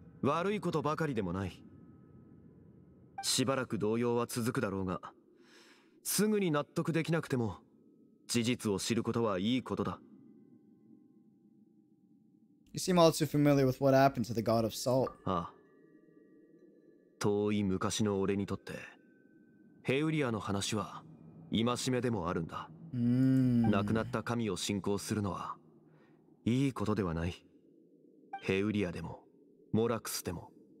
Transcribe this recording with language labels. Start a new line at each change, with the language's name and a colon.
Japanese: 悪いことばかりでもない。しばらく動揺は続くだろうが、すぐに納得できなくても、事実を知ることはいいことだ。
English: You seem all too familiar with what happened to the God of Salt.
Japanese: ああ。遠い昔の俺にとって、ヘウリアの話は戒めでもあるんだ。亡くなった神を信仰するのはいいことではない。ヘウリアでもモラクスでも